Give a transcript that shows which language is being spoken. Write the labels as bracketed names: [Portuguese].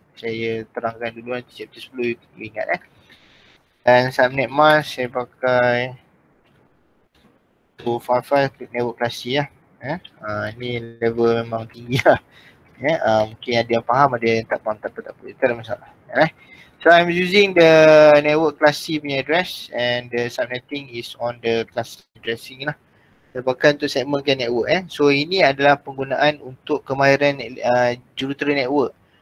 [Malay] Saya terangkan dulu nanti chapter 10 you ingat eh. Dan subnet mask saya pakai 255 network classy lah. Ni level memang tinggi lah. Mungkin ada yang faham, ada yang tak faham, tak apa. Tak ada masalah. [English] So I'm using the network class C punya address and the subnetting is on the class addressing lah. [Malay] Sebabkan tu segmentkan network eh. So ini adalah penggunaan untuk kemahiran jurutera network.